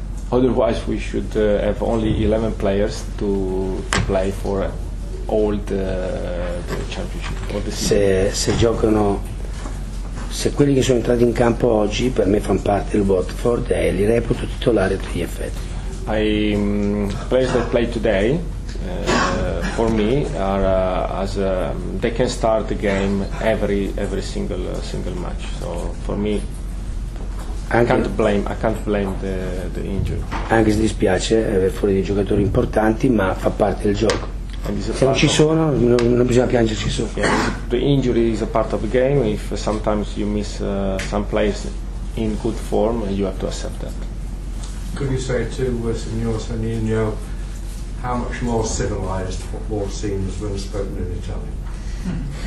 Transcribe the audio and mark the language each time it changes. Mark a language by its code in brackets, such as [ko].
[en] Otherwise we should have only 11 players to play for all the championship. [it] Se quelli che sono entrati in campo oggi per me fanno parte del Watford e li reputo titolari a tutti gli effetti. [en] Players that play today for me are they can start the game every single match. So for me I can't blame the injury. [it] Anche se dispiace aver fuori dei giocatori importanti, ma fa parte del gioco. Se non ci sono, non bisogna piangerci su. [en] Yeah, the injury is a part of the game. If sometimes you miss some players in good form, you have to accept that. Could you say too, Signor Sanino, how much more civilized football seems when spoken in Italian?